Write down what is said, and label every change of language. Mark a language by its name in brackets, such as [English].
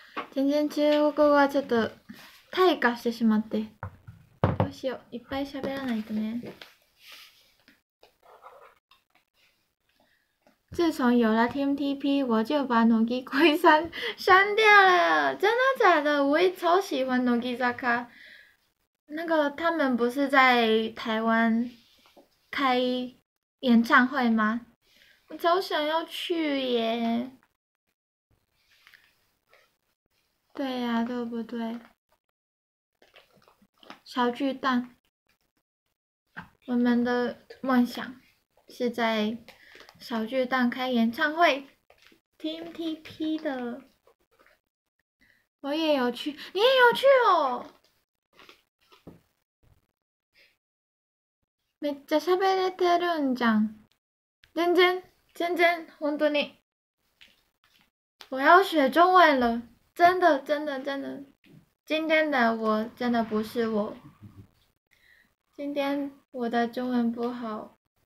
[Japanese] 全然中国語はちょっと退化してしまって。どうしよう、いっぱい喋らないとね。 [Chinese] 自从有了 TMTP，我就把 Nogi Koi 删掉了。真的假的？我也超喜欢 Nogi Zaka。那个他们不是在台湾开演唱会吗？我超想要去耶！对呀、对不对？小巨蛋，我们的梦想是在小巨蛋开演唱会，Team TP 的，我也有去，你也有去哦， [Japanese] めっちゃ喋れてるんじゃん、全然。 [Chinese] 真真， [Japanese] 本当に， [Chinese] 我要学中文了，真的，真的，真的，今天的我真的不是我，今天我的中文不好。